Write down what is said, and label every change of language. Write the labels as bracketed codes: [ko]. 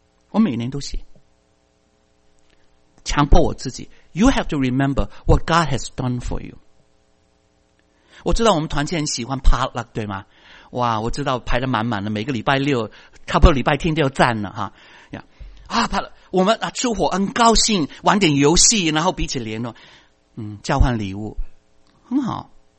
[zh] 我每年都写，强迫我自己。 [en] You have to remember what God has done for you。 [zh] 我知道我们团契很喜欢 potluck 对吗？哇，我知道排得满满的，每个礼拜六，差不多礼拜天都要站了哈。我们吃火很高兴，玩点游戏，然后彼此联络，交换礼物，很好。